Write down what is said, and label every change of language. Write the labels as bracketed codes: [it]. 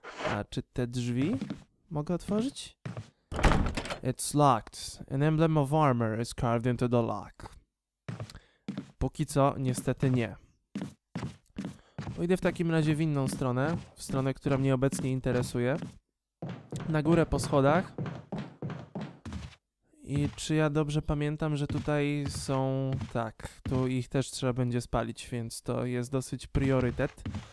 [pl] A czy te drzwi mogę otworzyć? [en] It's locked. An emblem of armor is carved into the lock. [pl] Póki co, niestety nie. Pójdę w takim razie w inną stronę. W stronę, która mnie obecnie interesuje. Na górę po schodach. I czy ja dobrze pamiętam, że tutaj są... Tak, tu ich też trzeba będzie spalić, więc to jest dosyć priorytet.